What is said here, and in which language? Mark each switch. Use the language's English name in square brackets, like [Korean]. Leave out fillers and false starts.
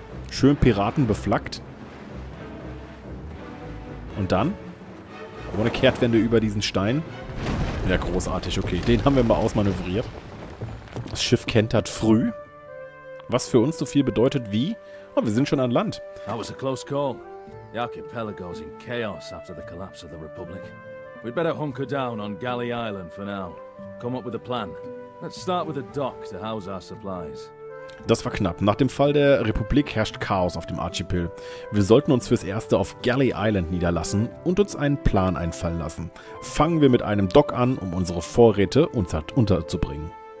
[German] Schön Piraten beflaggt. Und dann? Ohne Kehrtwende über diesen Stein. Ja, großartig. Okay, den haben wir mal ausmanövriert. Das Schiff kentert früh. Was für uns so viel bedeutet wie... Oh, wir sind schon an Land. [English] That was a close call. The archipelago is in chaos after the collapse of the Republic. We'd better hunker down on Galley Island for now. Come up with a plan. Let's start with a dock to house our supplies. [German] Das war knapp. Nach dem Fall der Republik herrscht Chaos auf dem Archipel. Wir sollten uns fürs Erste auf Galley Island niederlassen und uns einen Plan einfallen lassen. Fangen wir mit einem Dock an, um unsere Vorräte unterzubringen.